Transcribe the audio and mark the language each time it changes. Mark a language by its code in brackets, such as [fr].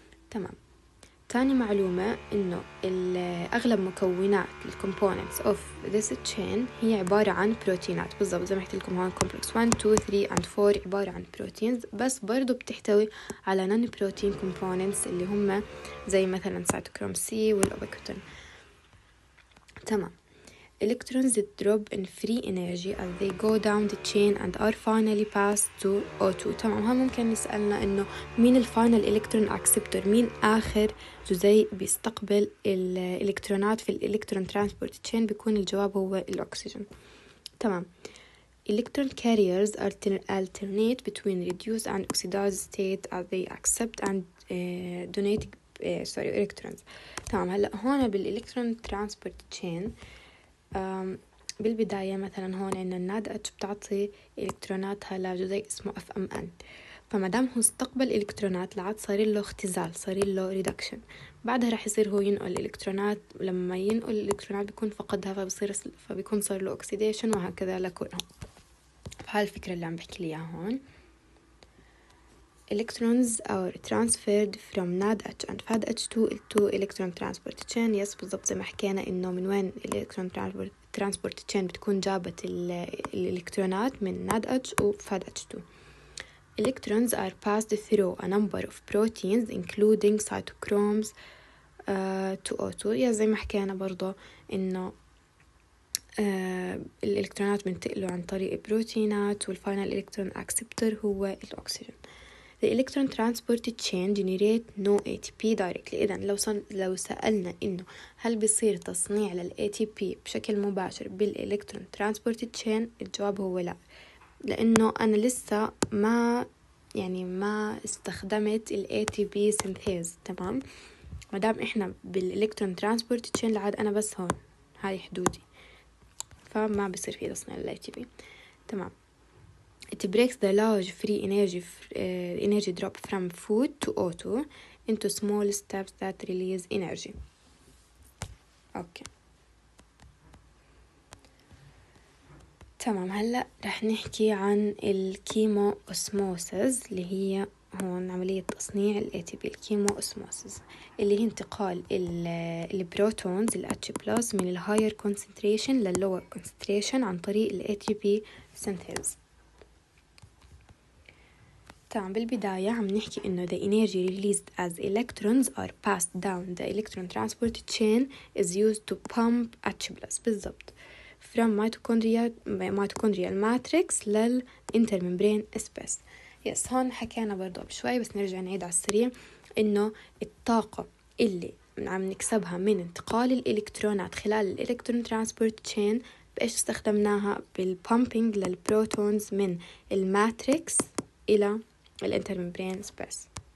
[ar] تمام، تاني معلومة انه اغلب مكونات الكومبوننتس اوف ذيس تشين هي عبارة عن بروتينات. بالضبط زي ما حكيت لكم هون كومبلكس 1 2 3 اند 4 عبارة عن بروتينز، بس برضو بتحتوي على نان بروتين كومبوننتس اللي هم زي مثلا سايتوكروم سي والأوبيكوتين. تمام، [en] Electrons drop in free energy as they go down the chain and are finally passed to O2. [ar] تمام، هم ممكن يسألنا إنه مين الفاينل إلكترون أكسبتور، مين آخر جزيء بيستقبل الإلكترونات في الإلكترون ترانسبورت تشين؟ بيكون الجواب هو الأكسجين. تمام، [en] Electron carriers alternate between reduced and oxidized state as they accept and donate electrons. [ar] تمام، هلأ هون بالإلكترون ترانسبورت تشين بالبداية مثلا هون إن النادة بتعطي إلكتروناتها لجزيء اسمه FMN، فمدام هو استقبل إلكترونات لعاد صار له اختزال، صار له reduction، بعدها رح يصير هو ينقل إلكترونات، لما ينقل الإلكترونات بيكون فقدها فبيكون صار له oxidation وهكذا لكلهم. فهالفكرة اللي عم بحكي ليها هون. [en] Electrons are transferred from NADH and FADH to electron transport chain. [ar] Yes، بالضبط زي ما حكينا إنه من وين electron transport chain بتكون جابت الإلكترونات، من NADH و FADH2. [en] Electrons are passed through a number of proteins including cytochromes to O2. [ar] Yes، زي ما حكينا برضو إنه الإلكترونات بنتقلوا عن طريق بروتينات، والفاينل إلكترون أكسبتر هو الأكسجين. [en] The electron transport chain generate no ATP directly. [ar] إذن لو سألنا إنه هل بيصير تصنيع لل ATP بشكل مباشر بالelectron transport chain، الجواب هو لا، لأنه أنا لسه ما استخدمت ال ATP synthase. تمام، مدام إحنا بالelectron transport chain لعاد أنا بس هون، هاي حدودي، فما بيصير في تصنيع لل ATP. تمام، [en] it breaks the large free energy energy drop from food to O2 into small steps that release energy. [ar] تمام، هلا رح نحكي عن الكيمو اوسموسيس، اللي هي هون عملية تصنيع الـ ATP. الكيمو اوسموسيس اللي هي انتقال البروتونز الـ H+ من الـ higher concentration للـ lower concentration عن طريق الـ ATP synthase. تمام، بالبداية عم نحكي إنه [en] the energy released as electrons are passed down the electron transport chain is used to pump H+ [ar] بالضبط [en] from mitochondrial matrix لل intermembrane space. [ar] yes، هون حكينا برضو بشوي بس نرجع نعيد على السريع، إنه الطاقة اللي عم نكسبها من انتقال الإلكترونات خلال الإلكترون transport chain بإيش استخدمناها؟ بالpumping للبروتونز من الماتريكس إلى الانترمبرينز بس.